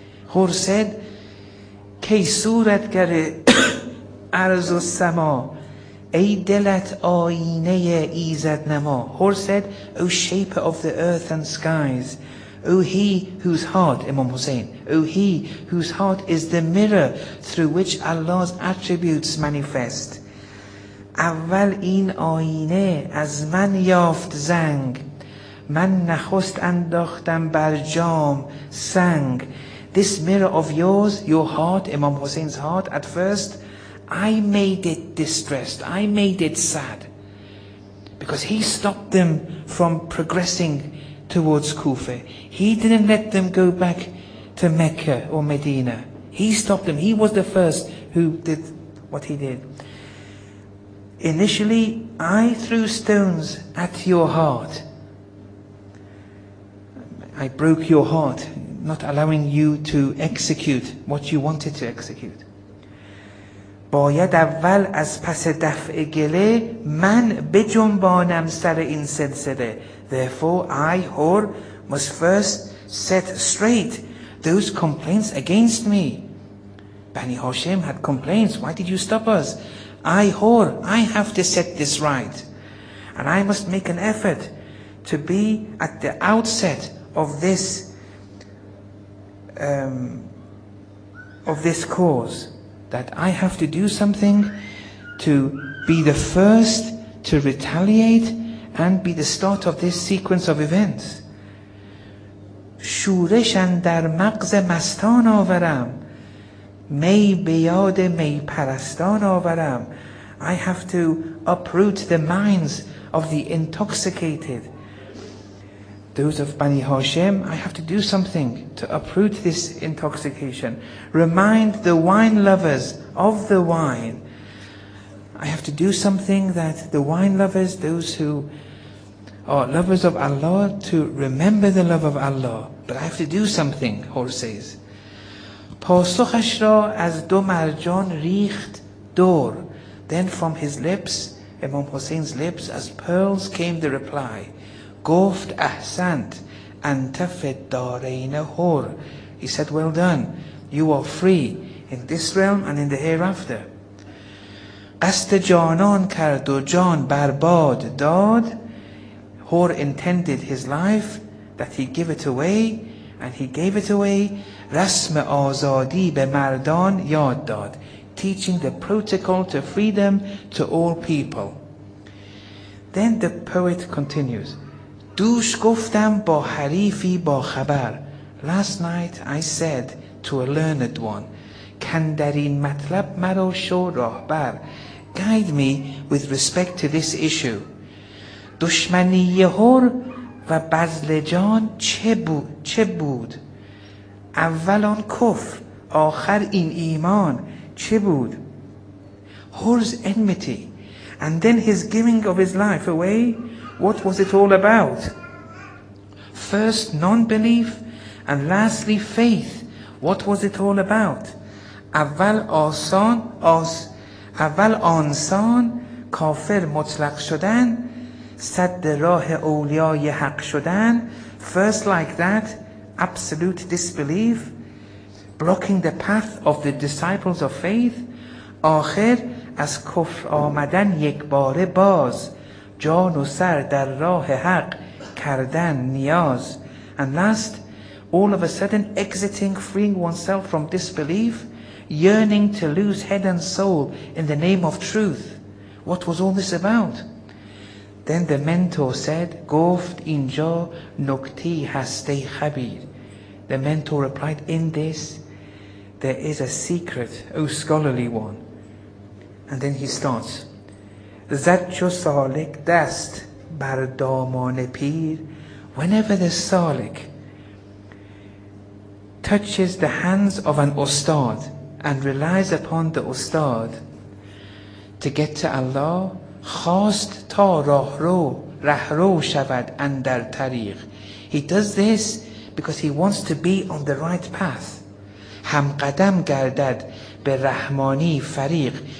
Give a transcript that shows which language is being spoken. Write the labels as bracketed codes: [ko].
[en] Hur said, [fa] Kay surat gare arzu sama. ای دلت آینه ایزد نما. [en] Hur said, O shaper of the earth and skies, O he whose heart, Imam Hussein, O he whose heart is the mirror through which Allah's attributes manifest. اول این آینه از من یافت زنگ. من نخست انداختم بر جام سنگ. This mirror of yours, your heart, Imam Hussein's heart, at first I made it distressed, I made it sad, because he stopped them from progressing towards Kufa. He didn't let them go back to Mecca or Medina. He stopped them. He was the first who did what he did. Initially, I threw stones at your heart. I broke your heart, not allowing you to execute what you wanted to execute. [fa] باید اول از پس دفع گله من بجنبانم سر این سلسله. [en] Therefore I, Hur, must first set straight those complaints against me. Bani Hashim had complaints. Why did you stop us? I, Hur, I have to set this right. And I must make an effort to be at the outset of this cause. That I have to do something to be the first to retaliate and be the start of this sequence of events. [fa] شورش اندر مغز مستان آورم. می بیاد می پرستان آورم. [en] I have to uproot the minds of the intoxicated. Those of Bani Hashim, I have to do something to uproot this intoxication. Remind the wine lovers of the wine. I have to do something that the wine lovers, those who are lovers of Allah, to remember the love of Allah. But I have to do something, Hor says. [fa] پاسخش را از دو مرجان ریخت دور. [en] Then from his lips, Imam Hussein's lips, as pearls, came the reply. [fa] گفت [ar] احسنت انت فی الدارین حر. [en] He said, well done, you are free in this realm and in the hereafter. [fa] قصد جانان کرد و جان برباد داد. [en] Hor intended his life, that he give it away, and he gave it away. [fa] رسم آزادی به مردان یاد داد. [en] Teaching the protocol to freedom to all people. Then the poet continues. [fa] دوش گفتم با حریفی با خبر. [en] Last night I said to a learned one, [fa] کندرین مطلب مرا شو راهبر. [en] Guide me with respect to this issue. [fa] دشمنی هر و بزل جان چه بود؟ [en] اول آن کفر، آخر این ایمان، چه بود؟ هر's enmity and then his giving of his life away, what was it all about? First non-belief and lastly faith, what was it all about? [fa] اول آنسان کافر مطلق شدن سد راه اولیای حق شدن. [en] First like that, absolute disbelief, blocking the path of the disciples of faith. [fa] آخر از کفر آمدن یک بار باز جان و سر در راه حق کردن نیاز. [en] And last, all of a sudden exiting, freeing oneself from disbelief, yearning to lose head and soul in the name of truth. What was all this about? Then the mentor said, [fa] گفت اینجا نکته هست ای خبیر. [en] The mentor replied, in this there is a secret, O scholarly one. And then he starts. [fa] زد چو سالک دست بر دامان پیر. [en] Whenever the سالک touches the hands of an استاد and relies upon the استاد to get to Allah, [fa] خواست تا رهرو شود اندر طریق. [en] He does this because he wants to be on the right path. [fa] هم قدم گردد به رحمانی فریق.